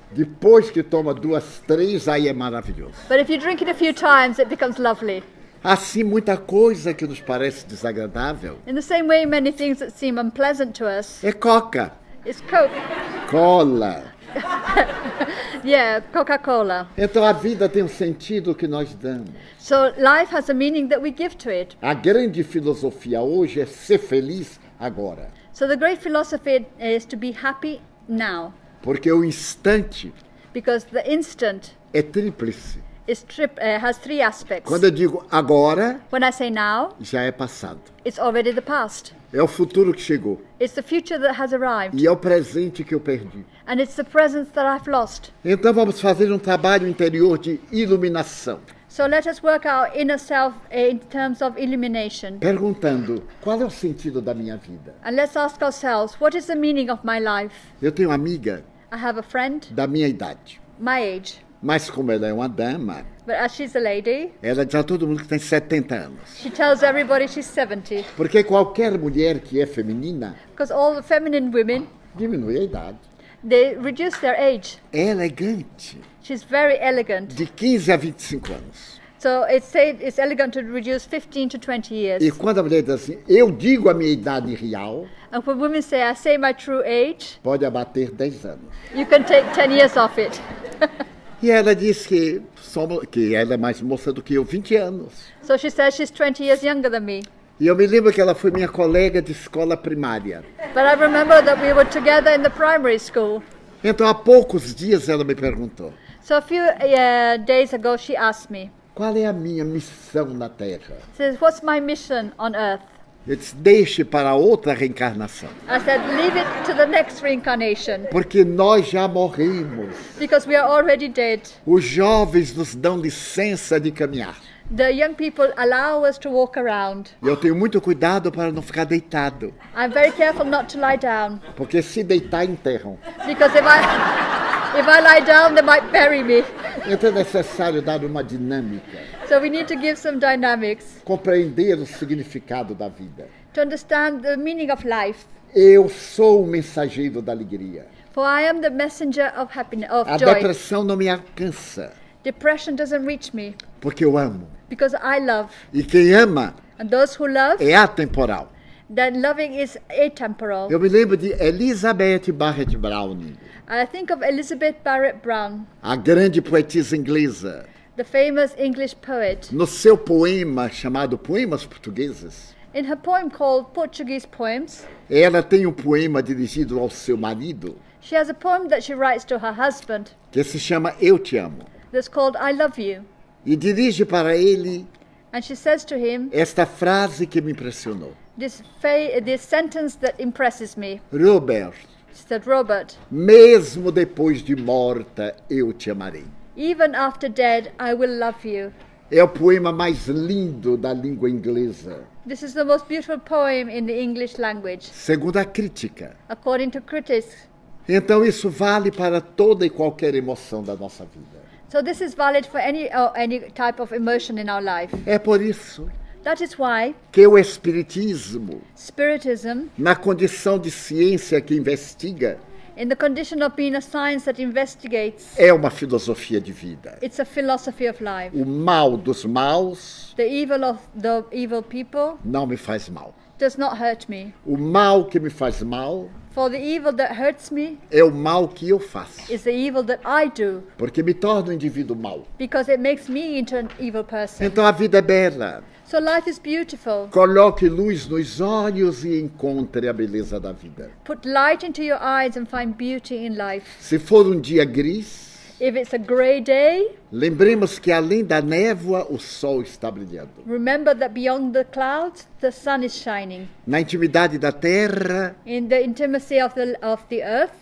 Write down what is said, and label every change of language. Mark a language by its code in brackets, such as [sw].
[pt] Depois que toma duas, três, aí é maravilhoso. [en] But if you drink it a few times, it becomes lovely. [pt] Assim, muita coisa que nos parece desagradável. [en] In the same way, many things that seem unpleasant to us. [pt] É Coca. [en] It's Coke. [pt] Cola. [en] Yeah, Coca-Cola. [pt] Então a vida tem um sentido que nós damos. [en] So life has a meaning that we give to it. [pt] A grande filosofia hoje é ser feliz agora. [en] So the great philosophy is to be happy now. [pt] Porque o instante. [en] Because the instant. [pt] É tríplice. [en] Has three aspects. [pt] Quando eu digo agora. [en] When I say now. [pt] Já é passado. [en] It's already the past. [pt] É o futuro que chegou. [en] It's the future that has arrived. [pt] E é o presente que eu perdi. [en] And it's the presence that I've lost. [pt] Então vamos fazer trabalho interior de iluminação. [en] So let us work our inner self in terms of illumination. [pt] Perguntando, qual é o sentido da minha vida? [en] And let's ask ourselves, what is the meaning of my life? [pt] Eu tenho uma amiga. [en] I have a friend. [pt] Da minha idade. [en] My age. [pt] Mas como ela é uma dama. [en] But as she's a lady. [pt] Ela diz a todo mundo que tem 70 anos. [en] She tells everybody she's 70. [pt] Porque qualquer mulher que é feminina. [en] Because all the feminine women. [pt] Diminui a idade. [en] They reduce their age. [pt] É elegante. [en] She's very elegant. [pt] De 15 a 25 anos. [en] So it's elegant to reduce 15 to 20 years. [pt] E quando a mulher diz assim, eu digo a minha idade real. [en] And when women say, I say my true age. [pt] Pode abater 10 anos. [en] You can take 10 years off it. [pt] E ela diz que ela é mais moça do que eu, 20 anos. [en] So she says she's 20 years younger than me. [pt] E eu me lembro que ela foi minha colega de escola primária. [en] But I remember that we were together in the primary school. [pt] Então, há poucos dias ela me perguntou. [en] So a few days ago she asked me. [pt] Qual é a minha missão na Terra? [en] She says, what's my mission on Earth? [pt] Eu disse, deixe para outra reencarnação. [en] I said, leave it to the next reincarnation. [pt] Porque nós já morremos. [en] Because we are already dead. [pt] Os jovens nos dão licença de caminhar. [en] The young people allow us to walk around. [pt] Eu tenho muito cuidado para não ficar deitado. [en] I'm very careful not to lie down. [pt] Porque se deitar, enterram. [en] Because if I lie down, they might bury me. [pt] Então é necessário dar uma dinâmica. [en] So we need to give some dynamics. [pt] Compreender o significado da vida. [en] To understand the meaning of life. [pt] Eu sou o mensageiro da alegria. [en] For I am the messenger of happiness, of a joy. [pt] A depressão não me alcança. [en] Depression doesn't reach me. [pt] Porque eu amo. [en] Because I love. [pt] E quem ama? [en] And those who love. [pt] É atemporal. [en] That loving is atemporal. [pt] Eu me lembro de Elizabeth Barrett Browning. [en] I think of Elizabeth Barrett Brown. [pt] A grande poetisa inglesa. [en] The famous English poet. [pt] No seu poema chamado Poemas Portugueses. [en] In her poem called Portuguese Poems. [pt] Ela tem um poema dirigido ao seu marido. [en] She has a poem that she writes to her husband. [pt] Que se chama Eu Te Amo. [en] That's called I Love You. [pt] E dirige para ele. [en] And she says to him. [pt] Esta frase que me impressionou. [en] This sentence that impresses me. [pt] Robert. [en] She said, Robert. [pt] Mesmo depois de morta, eu te amarei. [en] Even after dead, I will love you. [pt] É o poema mais lindo da língua inglesa. [en] This is the most beautiful poem in the English language. [pt] Segundo a crítica. [en] According to critics. [pt] Então isso vale para toda e qualquer emoção da nossa vida. [en] So this is valid for any type of emotion in our life. [pt] É por isso. [en] That is why [pt] que o espiritismo, [en] Spiritism, [pt] na condição de ciência que investiga, [en] in the condition of being a science that investigates, [pt] é uma filosofia de vida. [en] It's a philosophy of life. [pt] O mal dos maus, [en] the evil of the evil people, [pt] não me faz mal. [en] Does not hurt me. [pt] O mal que me faz mal, [en] for the evil that hurts me, [pt] é o mal que eu faço. [en] Is the evil that I do. [pt] Porque me torna um indivíduo mau. [en] Because it makes me into an evil person. [pt] Então a vida é bela. [en] So life is beautiful. [pt] Coloque luz nos olhos e encontre a beleza da vida. [en] Put light into your eyes and find beauty in life. [pt] Se for um dia gris, [en] if it's a gray day, [pt] lembremos que além da névoa, o sol está brilhando. [en] Remember that beyond the clouds, the sun is shining. [pt] Na intimidade da terra, [en] in the intimacy of the earth,